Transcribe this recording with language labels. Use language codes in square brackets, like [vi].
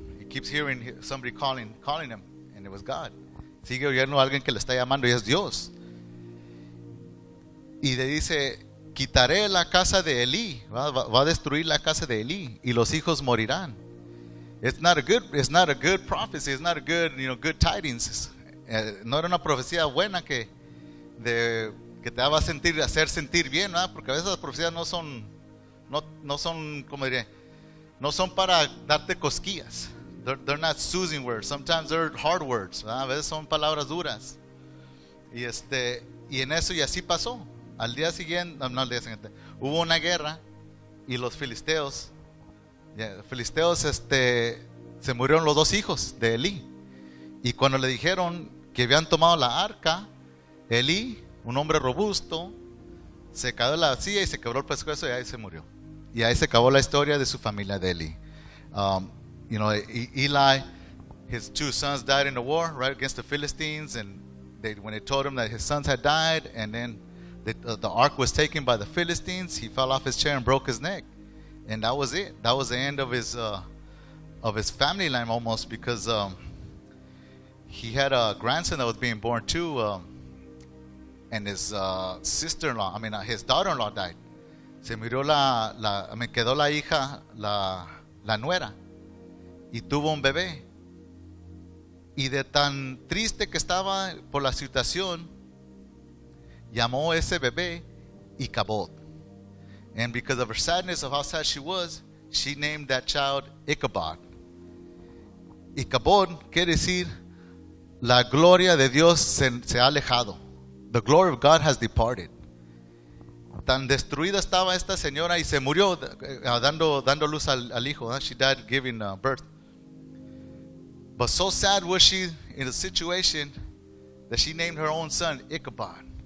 [en] He keeps hearing somebody calling him, and it was God. [es] Sigue oyendo a alguien que le está llamando, y es Dios. Y le dice, quitaré la casa de Elí, va a destruir la casa de Elí, y los hijos morirán. [en] It's not a good prophecy, it's not a good, good tidings. [es] No era una profecía buena que te daba a sentir, hacer sentir bien, ¿verdad? Porque a veces las profecías no son para darte cosquillas. [en] They're not soothing words, sometimes they're hard words, ¿verdad? [es] A veces son palabras duras. Y así pasó. Al día siguiente, hubo una guerra y los filisteos se murieron los dos hijos de Elí. Y cuando le dijeron que habían tomado la arca, Elí, un hombre robusto, se cayó en la silla y se quebró el pescuezo y ahí se murió. Y ahí se acabó la historia de su familia de Elí. [en] You know, Eli, his two sons died in the war, right, against the Philistines, and they, when they told him that his sons had died, and then the ark was taken by the Philistines, he fell off his chair and broke his neck, and that was it. That was the end of his family line almost, because he had a grandson that was being born too, and his sister-in-law, I mean his daughter-in-law died. [es] Se murió quedó la hija, la nuera, y tuvo un bebé. Y de tan triste que estaba por la situación, llamó ese bebé Ichabod. [en] And because of her sadness of how sad she was, she named that child Ichabod. [es] Ichabod quiere decir la gloria de Dios se ha alejado. [en] The glory of God has departed. [es] Tan destruida estaba esta señora y se murió dando luz al hijo. [en] She died giving birth. But so sad was she in a situation that she named her own son Ichabod.